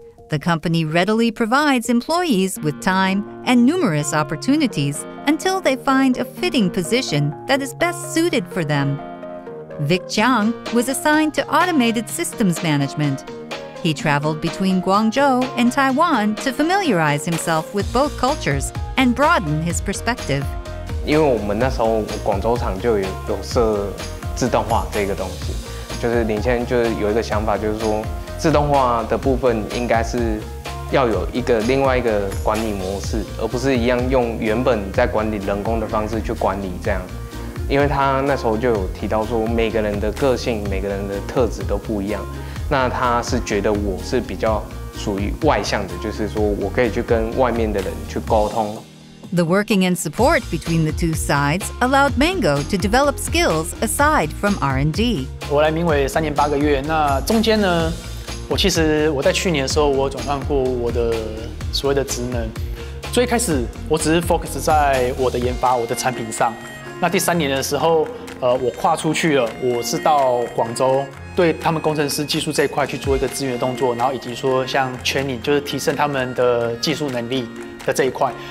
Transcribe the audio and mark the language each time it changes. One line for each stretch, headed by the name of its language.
English: The company readily provides employees with time and numerous opportunities until they find a fitting position that is best suited for them. Vic Chiang was assigned to automated systems management. He traveled between Guangzhou and Taiwan to familiarize himself with both cultures and broaden his perspective.
Chinese: 因为我们那时候广州厂就有设自动化这个东西，就是领先就有一个想法，就是说自动化的部分应该是要有一个另外一个管理模式，而不是一样用原本在管理人工的方式去管理这样。因为他那时候就有提到说，每个人的个性、每个人的特质都不一样。那他是觉得我是比较属于外向的，就是说我可以去跟外面的人去沟通。
English: The working and support between the two sides allowed Mango to develop skills aside from R&D.
Chinese: 我来明伟3年8个月，那中间呢？我其实我在去年的时候，我转换过我的所谓的职能。最开始我只是 focus 在我的研发、我的产品上。那第3年的时候，我跨出去了，我是到广州对他们工程师技术这一块去做一个资源的动作，然后以及说像 training 就是提升他们的技术能力的这一块。